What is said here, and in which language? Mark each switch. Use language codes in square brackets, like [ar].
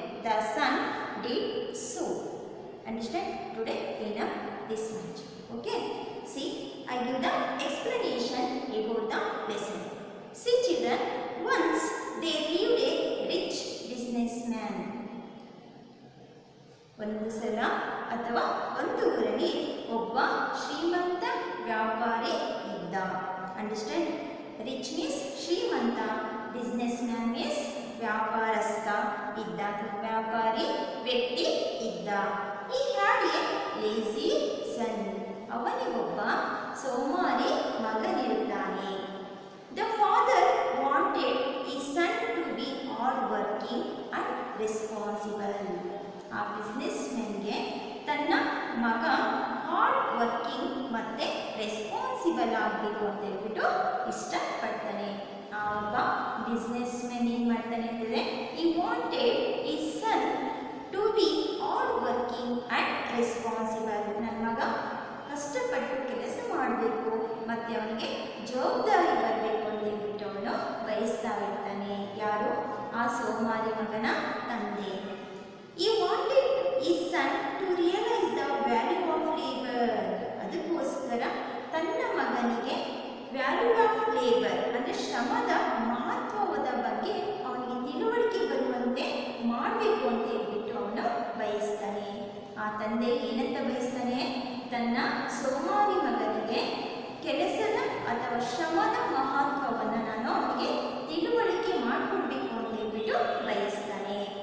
[en] The son did so. Understand? Today, we know this much. Okay? See, I give the explanation about the lesson. See, children, once they lived a rich businessman. [kn] ಒಂದು ಸಲ ಅಥವಾ ಒಂದು ಊರಲ್ಲಿ ಒಬ್ಬ ಶ್ರೀಮಂತ ವ್ಯಾಪಾರಿ ಇದ್ದ. ಅಂಡರ್ಸ್ಟ್ಯಾಂಡ್? [en] rich means [kn] ಶ್ರೀಮಂತ, [en] businessman means [kn] ವ್ಯಾಪಾರಸ್ಥ ಇದ್ದ, ವ್ಯಾಪಾರಿ ವ್ಯಕ್ತಿ ಇದ್ದ. [en] he had a lazy son, [kn] ಅವನಿಗೊಬ್ಬ ಸೋಮಾರಿ ಮಗನಿರುತ್ತಾನೆ. [en] The father wanted ಈ son to be hard working and responsible. [kn] ಆ ಬಿಸ್ನೆಸ್ ಮ್ಯಾನ್ಗೆ ತನ್ನ ಮಗ ಹಾರ್ಡ್ ವರ್ಕಿಂಗ್ ಮತ್ತು ರೆಸ್ಪಾನ್ಸಿಬಲ್ ಆಗಬೇಕು ಅಂತ ಹೇಳ್ಬಿಟ್ಟು ಇಷ್ಟಪಡ್ತಾನೆ. ಆ ಒಬ್ಬ ಬಿಸ್ನೆಸ್ ಮ್ಯಾನ್ ಏನು ಮಾಡ್ತಾನೆ ಅಂದರೆ, [en] He wanted ಈ son to be hard working and responsible. [kn] ನನ್ನ ಮಗ ಕಷ್ಟಪಟ್ಟು ಕೆಲಸ ಮಾಡಬೇಕು ಮತ್ತು ಅವನಿಗೆ ಜವಾಬ್ದಾರಿ ಬರಬೇಕು ಅಂತ ಹೇಳ್ಬಿಟ್ಟು ಅವನು ಬಯಸ್ತಾ ಇರ್ತಾನೆ. ಯಾರು? ಆ ಸೋಮಾರಿ ಮಗನ ತಂದೆ. [en] He wanted his son to realize the value of labor. [kn] ಅದಕ್ಕೋಸ್ಕರ ತನ್ನ ಮಗನಿಗೆ [en] value of labour [kn] ಅಂದರೆ ಶ್ರಮದ ಮಹತ್ವದ ಬಗ್ಗೆ ಅವನಿಗೆ ತಿಳುವಳಿಕೆ ಬರುವಂತೆ ಮಾಡಬೇಕು ಅಂತ ಹೇಳಿಬಿಟ್ಟು ಅವನು ಬಯಸ್ತಾನೆ. ಆ ತಂದೆ ಏನಂತ ಬಯಸ್ತಾನೆ? ತನ್ನ ಸೋಮಾರಿ ಮಗನಿಗೆ ಕೆಲಸದ ಅಥವಾ ಶ್ರಮದ ಮಹತ್ವವನ್ನು ನಾನು ಅವನಿಗೆ ತಿಳುವಳಿಕೆ ಮಾಡಿಕೊಡ್ಬೇಕು ಅಂತ ಹೇಳಿಬಿಟ್ಟು ಬಯಸ್ತಾನೆ.